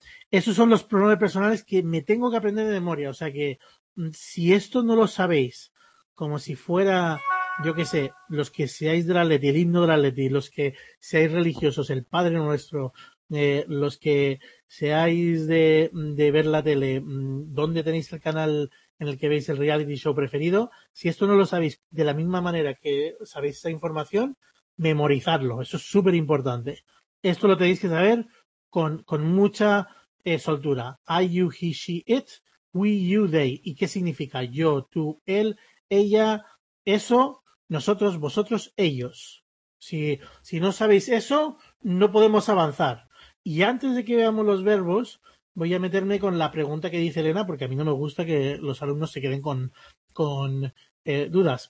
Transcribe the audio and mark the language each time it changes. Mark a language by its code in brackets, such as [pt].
[es] Esos son los pronombres personales que me tengo que aprender de memoria. O sea que si esto no lo sabéis, como si fuera, yo qué sé, los que seáis de la Leti, el himno de la Leti, los que seáis religiosos, el Padre Nuestro, los que seáis de ver la tele, ¿dónde tenéis el canal en el que veis el reality show preferido? Si esto no lo sabéis de la misma manera que sabéis esta información, memorizadlo, eso es súper importante. Esto lo tenéis que saber con mucha soltura. [en] I, you, he, she, it, we, you, they. [es] ¿Y qué significa? Yo, tú, él, ella, eso, nosotros, vosotros, ellos. Si no sabéis eso, no podemos avanzar. Y antes de que veamos los verbos, voy a meterme con la pregunta que dice Elena, porque a mí no me gusta que los alumnos se queden con dudas.